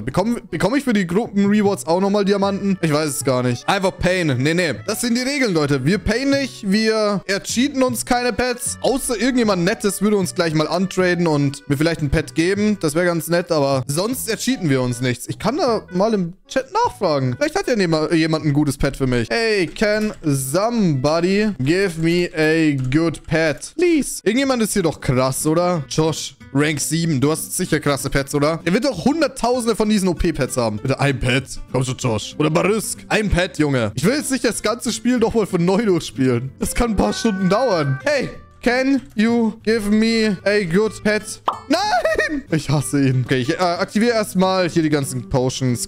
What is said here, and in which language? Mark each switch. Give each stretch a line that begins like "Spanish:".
German: Bekomme ich für die Gruppen Rewards auch nochmal Diamanten? Ich weiß es gar nicht. Einfach Pain. Nee, nee. Das sind die Regeln, Leute. Wir payen nicht. Wir ercheaten uns keine Pets. Außer irgendjemand Nettes würde uns gleich mal antraden und mir vielleicht ein Pet geben. Das wäre ganz nett, aber sonst ercheaten wir uns nichts. Ich kann da mal im Chat nachfragen. Vielleicht hat ja jemand ein gutes Pet für mich.
English: Hey, can somebody give me a good pet? Please.
German: Irgendjemand ist hier doch krass, oder? Josh, Rank 7. Du hast sicher krasse Pets, oder? Er wird doch hunderttausende von diesen OP-Pets haben. Bitte ein Pet. Komm schon, Josh. Oder Barysk. Ein Pet, Junge. Ich will jetzt nicht das ganze Spiel doch mal von neu durchspielen. Das kann ein paar Stunden dauern.
English: Hey, can you give me a good pet?
German: Nein! Ich hasse ihn. Okay, ich aktiviere erstmal hier die ganzen Potions.